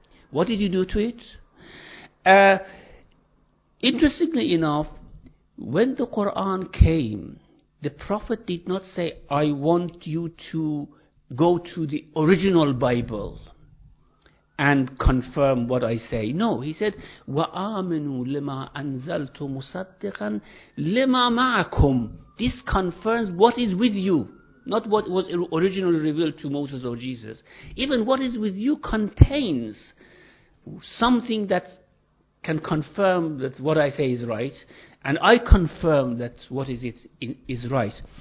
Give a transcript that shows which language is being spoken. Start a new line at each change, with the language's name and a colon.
English: What did you do to it? Interestingly enough, when the Quran came, the Prophet did not say, I want you to go to the original Bible and confirm what I say. No, he said,
Arabic: وَآمِنُوا لِمَا أَنزَلْتُ مُصَدِّقًا لِمَا مَعَكُمْ.
English: This confirms what is with you, not what was originally revealed to Moses or Jesus. Even what is with you contains something that can confirm that what I say is right, and I confirm that what is it is right.